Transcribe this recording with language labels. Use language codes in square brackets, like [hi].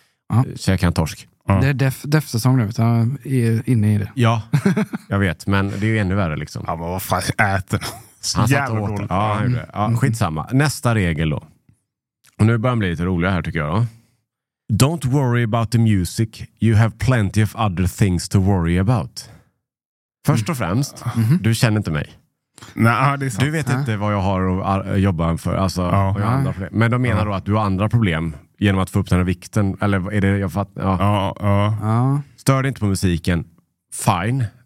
[sv] Ja. Käkade han torsk. Ja. Det är def-säsong nu. Han är inne i det. Ja, jag vet. Men det är ju ännu värre liksom. Ja, men vad fan äter han? Så jävla roligt. Skitsamma. Nästa regel då. Och nu börjar det bli lite roligare här tycker jag då. [en] Don't worry about the music. You have plenty of other things to worry about. [sv] Först och främst, du känner inte mig. Nej, det är sant. Du vet inte vad jag har att jobba för. Alltså, och jag har andra problem. Men de menar då att du har andra problem genom att få upp den här vikten. Eller är det jag fattar? Stör dig inte på musiken. Fine.